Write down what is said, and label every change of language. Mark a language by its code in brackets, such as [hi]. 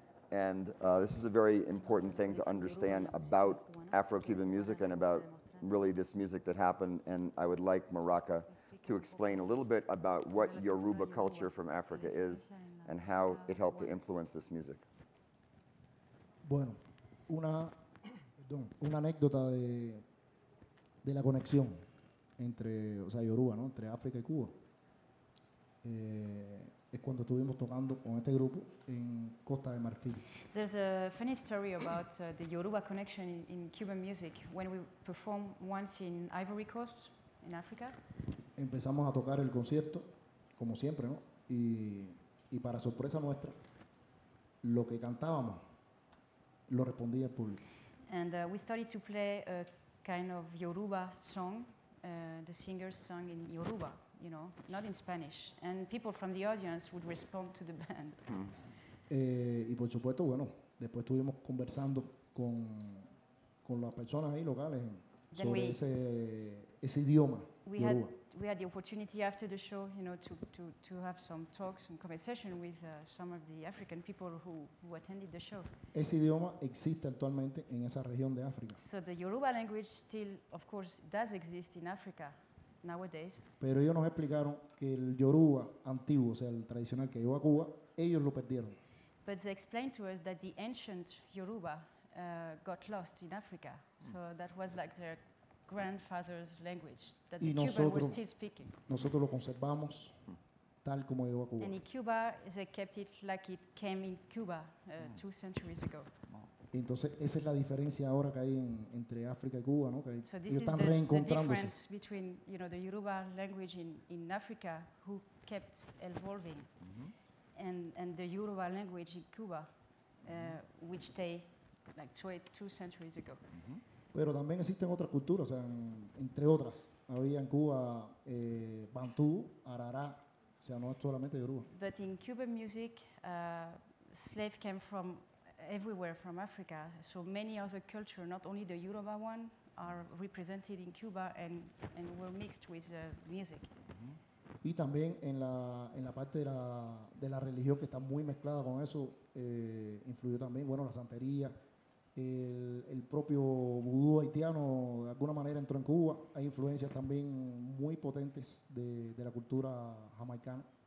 [en] And this is a very important thing to understand about Afro-Cuban music and about really this music that happened, and I would like Maraca to explain a little bit about what Yoruba culture from Africa is and how it helped to influence this music. [es] Bueno, una anécdota de la conexión entre, o sea, Yoruba, ¿no? Entre África y Cuba. es cuando estuvimos tocando con este grupo en Costa de Marfil. [en] There's a funny story about the Yoruba connection in Cuban music when we performed once in Ivory Coast in Africa. [es] Empezamos a tocar el concierto como siempre, ¿no? Y para sorpresa nuestra, lo que cantábamos lo respondía el público. [en] And we started to play a kind of Yoruba song, the singer's song in Yoruba, you know, not in Spanish. And people from the audience would respond to the band. [es] Y por supuesto, bueno, después estuvimos conversando con las personas ahí locales sobre ese idioma Yoruba. [en] We had the opportunity after the show, you know, to have some talks and conversation with some of the African people who attended the show. [es] Ese idioma existe actualmente en esa región de África. [en] So the Yoruba language still, of course, does exist in Africa nowadays. [es] Pero ellos nos explicaron que el Yoruba antiguo, o sea, el tradicional que llegó a Cuba, ellos lo perdieron. [en] But they explained to us that the ancient Yoruba got lost in Africa. So that was like their grandfather's language that the Cuban was still speaking. [es] Nosotros lo conservamos tal como llegó a Cuba. [en] And in Cuba, they kept it like it came in Cuba two centuries ago. [es] Entonces, esa es la diferencia ahora que hay entre África y Cuba, ¿no? Que [en] so [es] están reencontrándose. [en] So this is the difference between, you know, the Yoruba language in Africa, who kept evolving, mm-hmm. and the Yoruba language in Cuba, which they like two centuries ago. Mm-hmm. [es] Pero también existen otras culturas, o sea, entre otras. Había en Cuba Bantú, Arará, o sea, no es solamente Yoruba. [en] But in Cuban music, slaves came from everywhere from Africa. So many other cultures, not only the Yoruba one, are represented in Cuba and were mixed with music. Uh-huh. [es] Y también en la parte de la religión, que está muy mezclada con eso, influyó también, bueno, la santería. El propio vudú haitiano de alguna manera entró en Cuba. Hay influencias también muy potentes de la cultura jamaicana.